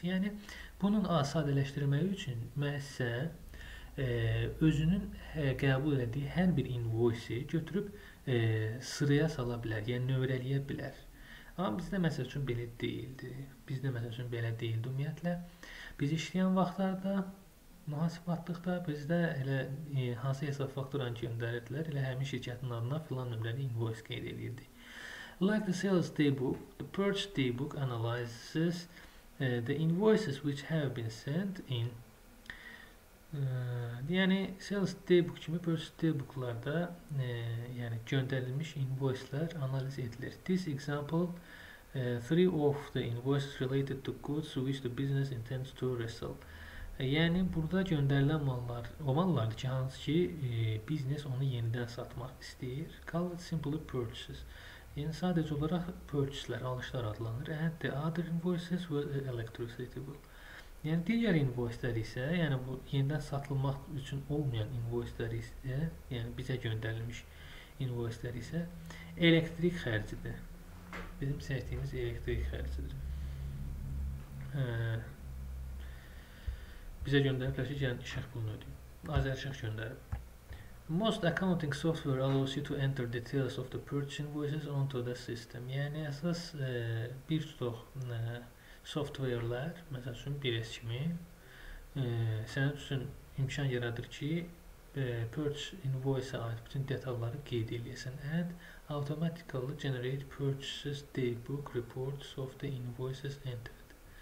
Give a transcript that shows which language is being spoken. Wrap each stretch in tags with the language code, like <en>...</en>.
<az>Yəni bunun sadələşdirilməyi üçün məsələ özünün qəbul etdiyi hər bir invoice-i götürüb sıraya sala bilər, yəni nömrələyə bilər. Amma bizdə məsəl üçün belə deyildi. Bizdə məsəl üçün belə deyildi ümumiyyətlə. Biz işləyən vaxtlarda, mühasibatlıqda bizdə elə hansı hesab fakturanı göndərirdilər, elə həmin şirkətin adına filan nömrəli invoice qeyd edirdi.</az> <en>Like the sales daybook, the purchase daybook analyzes the invoices which have been sent in.</en> <az>Yəni sales daybook kimi purchase daybooklarda yəni göndərilmiş invoice-lər analiz edilir.</az> <en>This example three of the invoices related to goods which the business intends to resell.</en> <az>Yəni burada göndərilən mallar o mallardır ki, hansı ki biznes onu yenidən satmaq istəyir.</az> <en>Call it simply purchases.</en> <az>Yəni sadəcə olaraq purchase-lər alışlar adlanır.</az> <en>And the other invoices were electricity bill.</en> <az>Yəni digər invoice-lər isə, yəni bu yenidən satılmaq üçün olmayan invoice-lər isə, yəni bizə göndərilmiş invoice-lər isə elektrik xərcidir. Bizim çəkdiyimiz elektrik xərcidir. Bizə göndəriblər ki, yəni işıq pulunu ödəyin. Azərişıq göndərib.</az> <en>Most accounting software allows you to enter details of the purchase invoices onto the system.</en> <az>Yəni əsas bir çox software-lər, məsəl üçün 1S kimi, sənə üçün imkan yaradır ki, purchase invoice-a ait bütün detalları qeyd edəsən.</az> <en>And automatically generate purchases daybook reports of the invoices entered.</en>